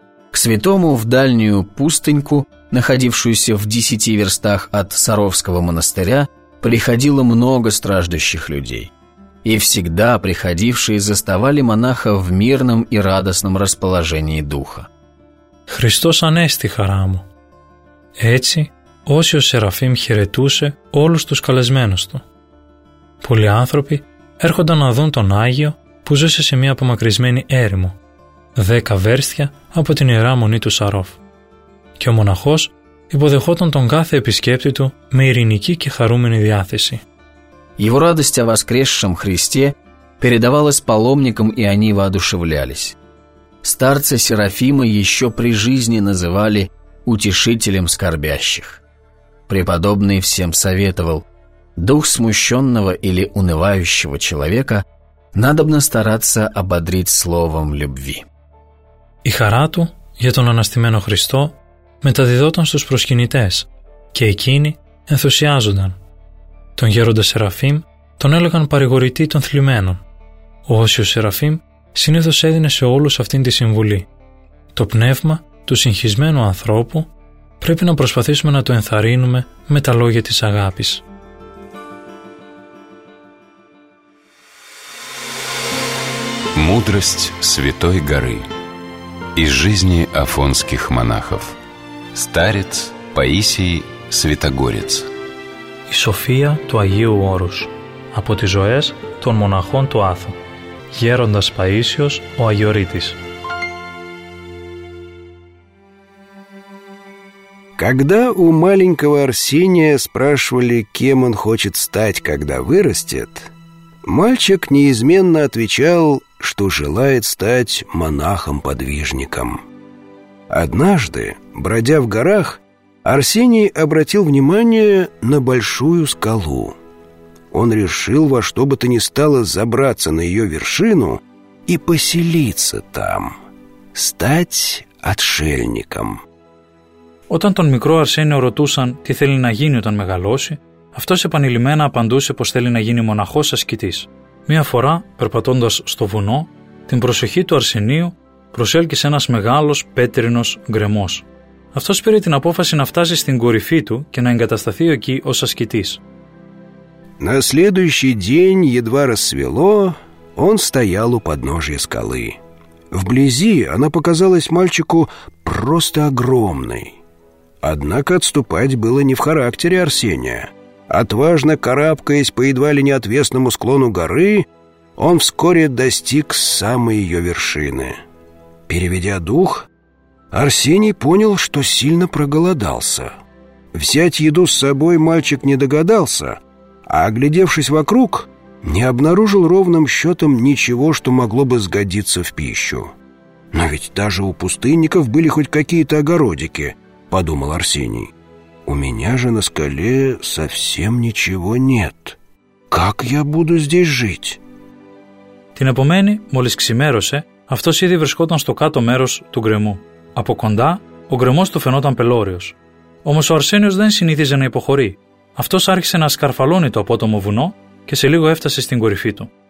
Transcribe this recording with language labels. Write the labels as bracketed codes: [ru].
[ru] К святому в дальнюю пустыньку, находившуюся в 10 верстах от Саровского монастыря, приходило много страждущих людей. И всегда приходившие заставали монаха в мирном и радостном расположении духа. [el] Христос анести хара му. Έτσι, όσοι ο Σεραφείμ χαιρετούσε όλους τους καλεσμένους του. Πολλοί άνθρωποι έρχονταν να δουν τον Άγιο που ζούσε σε μια απομακρυσμένη έρημο, 10 βέρστια από την Ιερά Μονή του Σαρόφ. Και ο μοναχός υποδεχόταν τον κάθε επισκέπτη του με ειρηνική και χαρούμενη διάθεση. [ru] Η радость о воскресшем Христе передавалась паломникам, и они воодушевлялись. Старца Серафима еще при жизни называли «утешителем скорбящих». Преподобный всем советовал: «Дух смущенного или унывающего человека надобно стараться ободрить словом любви». [el] Η χαρά του για τον αναστημένο Χριστό μεταδιδόταν στους προσκυνητές και εκείνοι ενθουσιάζονταν. Τον γέροντα Σεραφείμ τον έλεγαν παρηγορητή των θλιμμένων. Ο Όσιος Σεραφείμ συνήθως έδινε σε όλους αυτήν τη συμβουλή. Το πνεύμα του συγχυσμένου ανθρώπου πρέπει να προσπαθήσουμε να το ενθαρρύνουμε με τα λόγια της αγάπης. [ru] Мудрость Святой Горы из жизни афонских монахов. Старец Паисий Святогорец. [el] Η Σοφία του Αγίου Όρους από τις ζωές των μοναχών του Άθου. Γέροντας Παΐσιος, ο Αγιορείτης. [ru] Когда у маленького Арсения спрашивали, кем он хочет стать, когда вырастет, мальчик неизменно отвечал, что желает стать монахом-подвижником. Однажды, бродя в горах, Арсений обратил внимание на большую скалу. Он решил во что бы то ни стало забраться на ее вершину и поселиться там, стать отшельником. [el] Όταν τον μικρό Αρσένιο ρωτούσαν τι θέλει να γίνει όταν μεγαλώσει, αυτός επανειλημμένα απαντούσε πως θέλει να γίνει μοναχός ασκητής. Μία φορά, περπατώντας στο βουνό, την προσοχή του Αρσενίου προσέλκυσε ένας μεγάλος πέτρινος γκρεμός. Αυτός πήρε την απόφαση να φτάσει στην κορυφή του και να εγκατασταθεί εκεί ως ασκητής. [ru] На следующий день, едва рассвело, он стоял у подножия скалы. Вблизи она показалась мальчику просто огромной. Однако отступать было не в характере Арсения. Отважно карабкаясь по едва ли не отвесному склону горы, он вскоре достиг самой ее вершины. Переведя дух, Арсений понял, что сильно проголодался. Взять еду с собой мальчик не догадался, а, оглядевшись вокруг, не обнаружил ровным счетом ничего, что могло бы сгодиться в пищу. Но ведь даже у пустынников были хоть какие-то огородики, подумал Арсений. У меня же на скале совсем ничего нет. Как я буду здесь жить? [el] Την επομένη, μόλις ξημέρωσε, αυτός ήδη βρισκόταν στο κάτω μέρος του γκρεμού. Από κοντά, ο γκρεμός του φαινόταν πελώριος. Όμως ο Αρσένιος δεν συνήθιζε να υποχωρεί. Αυτός άρχισε να σκαρφαλώνει το απότομο βουνό και σε λίγο έφτασε στην κορυφή του.